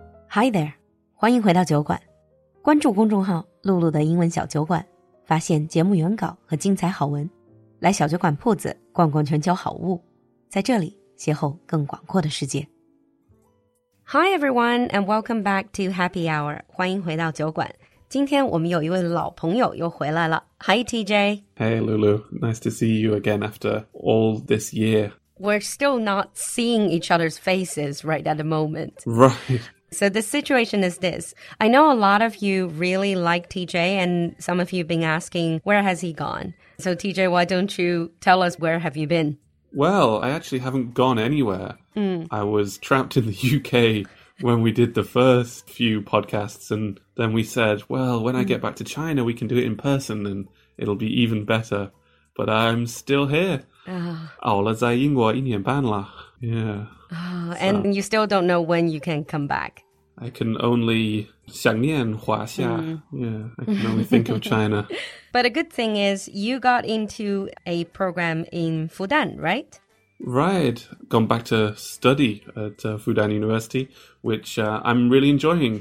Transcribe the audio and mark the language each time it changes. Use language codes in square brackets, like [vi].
[en] Hi there, [zh] 欢迎回到酒馆。关注公众号露露的英文小酒馆，发现节目原稿和精彩好文，来小酒馆铺子逛逛全球好物，在这里邂逅更广阔的世界。 [en] Hi everyone, and welcome back to Happy Hour, [zh] 欢迎回到酒馆。今天我们有一位老朋友又回来了。 [en] Hi TJ. Hey Lulu, nice to see you again after all this year. We're still not seeing each other's faces right at the moment. Right. So the situation is this. I know a lot of you really like TJ, and some of you have been asking, where has he gone? So TJ, why don't you tell us, where have you been? Well, I actually haven't gone anywhere. I was trapped in the UK when we did the first few podcasts, and then we said, well, when I get back to China, we can do it in person, and it'll be even better. But I'm still here. [zh] Oh, 了在英国一年半了。 [en] Yeah. Oh, and so, you still don't know when you can come back. I can only [zh] 想念华夏. [en] I can only think of China. But a good thing is you got into a program in Fudan, right? Right. Gone back to study at Fudan University, which I'm really enjoying.